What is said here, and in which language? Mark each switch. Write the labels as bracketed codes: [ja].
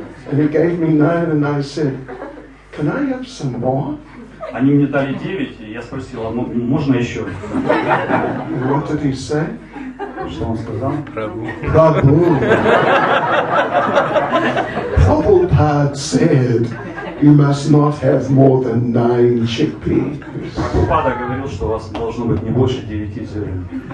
[en] And he gave me nine, and I said, "Can I have some more?" [ru] Они мне дали девять, и я спросил, а можно еще? [en] And what did he say? [ru] Что он сказал? Прабу. [en] Prabhupada said, you must not have more than nine chickpeas. [ru] Прабхупада говорил, что у вас должно быть не больше девяти зерен.